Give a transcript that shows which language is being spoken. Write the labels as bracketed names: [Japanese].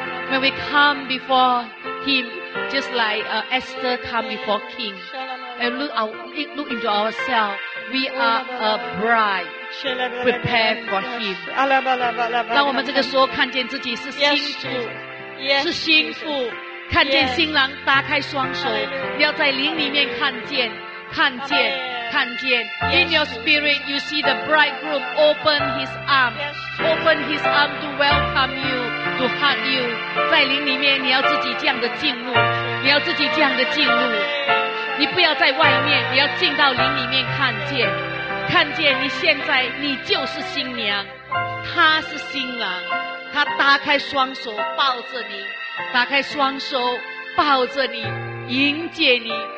[English] When we come before him, just like Esther come before king, and look into ourselves, we are a bride. Prepare for him. [Chinese] 让我们这个时候看见自己是新妇，是新妇，看见新郎打开双手，要在灵里面看见，看见，看见。 In your spirit, you see the bridegroom open his arm, open his arm to welcome you, to hug you. 在灵里面，你要自己这样的进入，你要自己这样的进入，你不要在外面，你要进到灵里面看见。看见你现在你就是新娘，她是新郎，她打开双手抱着你，打开双手抱着你迎接你。